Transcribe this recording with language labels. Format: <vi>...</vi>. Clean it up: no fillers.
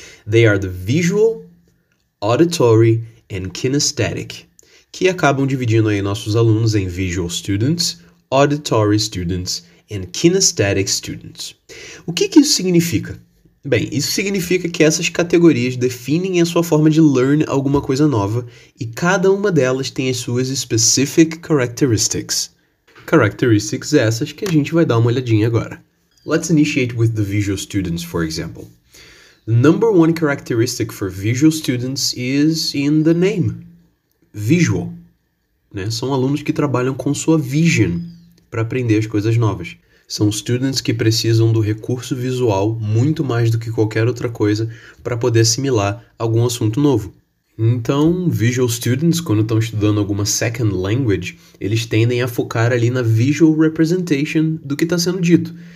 <en>They are the visual, auditory, and kinesthetic,</en> <pt>que acabam dividindo aí nossos alunos em</pt> <en>visual students, auditory students, and kinesthetic students.</en> <pt>O que que isso significa? Bem, isso significa que essas categorias definem a sua forma de learn alguma coisa nova e cada uma delas tem as suas</pt> <en>specific characteristics.</en> <pt>Characteristics essas que a gente vai dar uma olhadinha agora.</pt> <en>Let's initiate with the visual students, for example. The number one characteristic for visual students is in the name.</en> <pt>Visual. Né? São alunos que trabalham com sua vision para aprender as coisas novas. São students que precisam do recurso visual muito mais do que qualquer outra coisa para poder assimilar algum assunto novo. Então,</pt> <en>visual students,</en> <pt>quando estão estudando alguma</pt> <en>second language,</en> <pt>eles tendem a focar ali na</pt> <en>visual representation</en> <pt>do que está sendo dito.</pt>